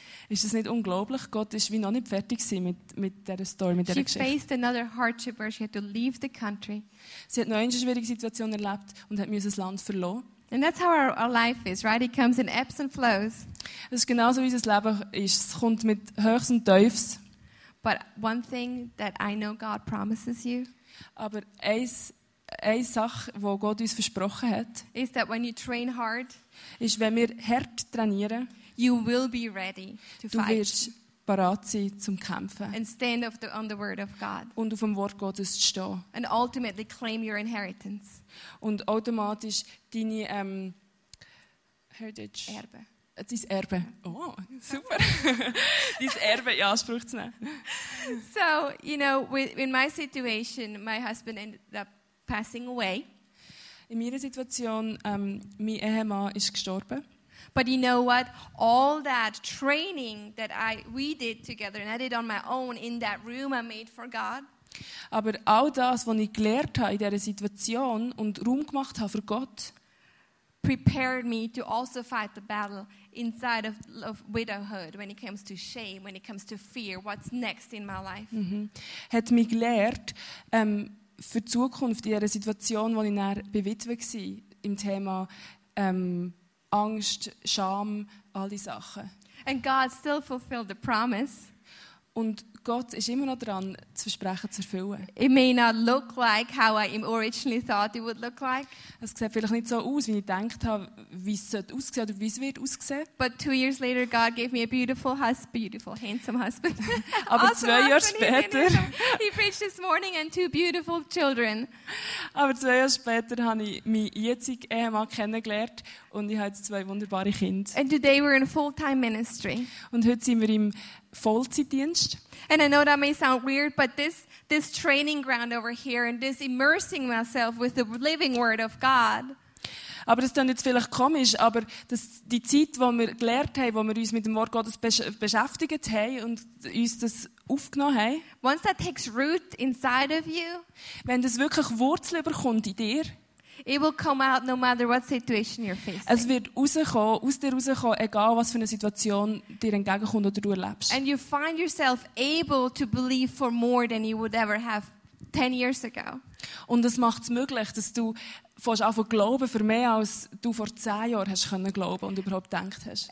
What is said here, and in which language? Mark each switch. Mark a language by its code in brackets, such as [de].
[de] Ist das nicht unglaublich? Gott ist wie noch nicht fertig gewesen mit dieser Story, mit dieser Geschichte. [en] She faced another hardship where she had to leave the country. [de] Sie hat noch eine schwierige Situation erlebt und hat das Land verloren. [en] And that's how our life is, right? It comes in ebbs and flows. [de] Es ist genauso, wie unser Leben ist. Es kommt mit Höchst und Tiefs. [en] But one thing that I know God promises you. [de] Aber eine Sache, wo Gott uns versprochen hat, [en] is that when you train hard, [de] ist, wenn wir hart trainieren, [en] you will be ready to fight. [de] Du wirst bereit sein zum Kämpfen. [en] And stand on the word of God. [de] Und auf dem Wort Gottes zu stehen. [en] And ultimately claim your inheritance. [de] Und automatisch deine Heritage. Erbe. Dein Erbe. Oh, super. Dein Erbe in Anspruch zu nehmen. [en] So, you know, in my situation, my husband ended up passing away. [de] In meiner Situation, mein Ehemann ist gestorben. [en] But you know what? All that training that we did together, and I did on my own in that room I made for God. [de] Aber all das, was ich gelernt habe in dieser Situation und Raum gemacht habe für Gott, [en] prepared me to also fight the battle inside of widowhood when it comes to shame, when it comes to fear, what's next in my life. [de] Hat mich gelehrt, für die Zukunft in dieser Situation, wo ich dann bewitwet war, im Thema Angst, Scham, all diese Sachen. [en] And God still fulfilled the promise. [de] Und Gott ist immer noch dran, das Versprechen zu erfüllen. [en] It may not look like how I originally thought it would look like. [de] Es sieht vielleicht nicht so aus, wie ich gedacht habe, wie es aussehen oder wie es wird aussehen. [en] But 2 years later, God gave me a beautiful husband, beautiful, handsome husband. [de] Aber also 2 Jahre später. [en] He preached this morning and 2 beautiful children. [de] Aber 2 Jahre später habe ich meinen jetzigen Ehemann kennengelernt und ich habe jetzt 2 wunderbare Kinder. [en] And today we're in full-time ministry. [de] Und heute sind wir im Vollzeitdienst. [en] And I know that may sound weird, but this training ground over here and this immersing myself with the living word of God. [de] Aber das klingt jetzt vielleicht komisch, aber das, die Zeit, wo wir gelernt haben, wo wir uns mit dem Wort Gottes beschäftigt haben und uns das aufgenommen haben. [en] Once that takes root inside of you. [de] Wenn das wirklich Wurzel überkommt in dir. [en] It will come out no matter what situation you're facing. [de] Es wird rauskommen, aus dir rauskommen, egal was für eine Situation dir entgegenkommt oder du erlebst. [en] And you find yourself able to believe for more than you would ever have 10 years ago. [de] Und es macht es möglich, dass du fängst an zu glauben für mehr als du vor 10 Jahren hast können glauben und überhaupt gedacht hast.